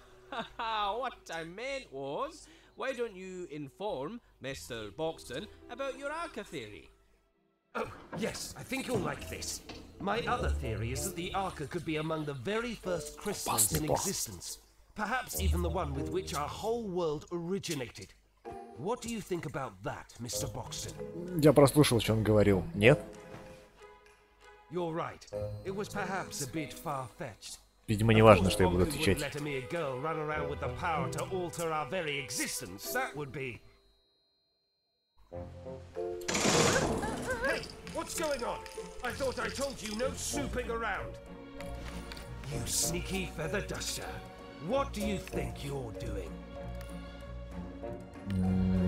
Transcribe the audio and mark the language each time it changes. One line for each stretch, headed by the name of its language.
English: What I meant was, why don't you inform Mr. Boxton about your Arca theory? Oh, yes, I think you'll like this. My other theory is that the Arca could be among the very first crystals in existence. Perhaps even the one with which our whole world originated. What do you think about that, Mr. Boxton?
Russian: Я прослушал, что он говорил. Нет?
English: You're right. It was perhaps a bit far-fetched.
Russian: Видимо, не важно, что я буду отвечать.
English: Let a mere girl run around with the power to alter our very existence. That would be... Hey, what's going on? I thought I told you no snooping around. You sneaky feather duster. What do you think you're doing?